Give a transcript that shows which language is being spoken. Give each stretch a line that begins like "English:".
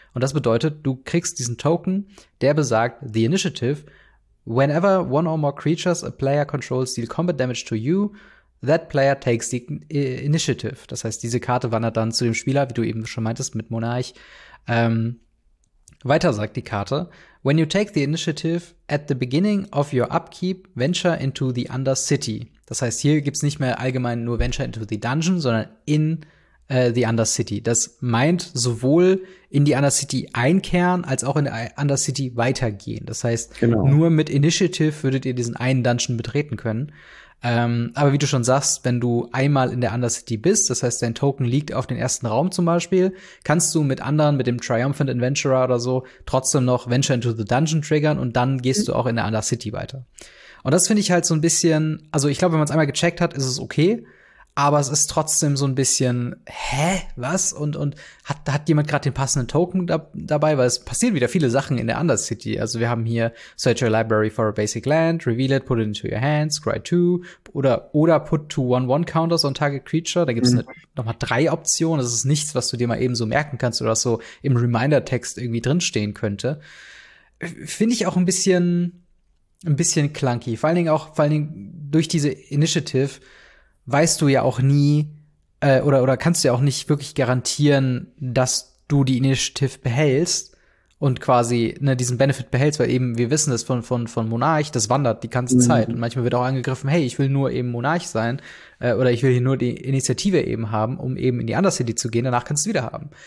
German: Und das bedeutet, du kriegst diesen Token, der besagt,
English: The Initiative, whenever one or more creatures a player controls deal combat damage to you, that player takes the initiative.
German: Das heißt, diese Karte wandert dann zu dem Spieler, wie du eben schon meintest, mit Monarch. Weiter sagt die Karte.
English: When you take the initiative at the beginning of your upkeep, venture into the Undercity.
German: Das heißt, hier gibt's nicht mehr allgemein nur
English: venture into the dungeon,
German: sondern
English: in the Undercity.
German: Das meint sowohl in die Undercity einkehren, als auch in die Undercity weitergehen. Das heißt, nur mit Initiative würdet ihr diesen einen Dungeon betreten können. Aber wie du schon sagst, wenn du einmal in der Undercity bist, das heißt, dein Token liegt auf den ersten Raum zum Beispiel, kannst du mit anderen, mit dem Triumphant Adventurer oder so, trotzdem noch
English: Venture into the Dungeon
German: triggern und dann gehst du auch in der Undercity weiter. Und das finde ich halt so ein bisschen, also ich glaube, wenn man es einmal gecheckt hat, ist es okay, aber es ist trotzdem so ein bisschen, hä, was? Und hat jemand gerade den passenden Token dabei? Weil es passieren wieder viele Sachen in der Undercity. Also wir haben hier
English: Search your library for a basic land, reveal it, put it into your hands, scry two. Oder put two 1-1 counters on target creature.
German: Da gibt es nochmal drei Optionen. Das ist nichts, was du dir mal eben so merken kannst oder so im Reminder-Text irgendwie drinstehen könnte. Finde ich auch ein bisschen clunky. Vor allen Dingen durch diese Initiative weißt du ja auch nie oder kannst du ja auch nicht wirklich garantieren, dass du die Initiative behältst und quasi ne, diesen Benefit behältst, weil eben wir wissen das von Monarch, das wandert die ganze Zeit und manchmal wird auch angegriffen, hey, ich will nur eben Monarch sein oder ich will hier nur die Initiative eben haben, um eben in die Undercity zu gehen, danach kannst du wieder haben.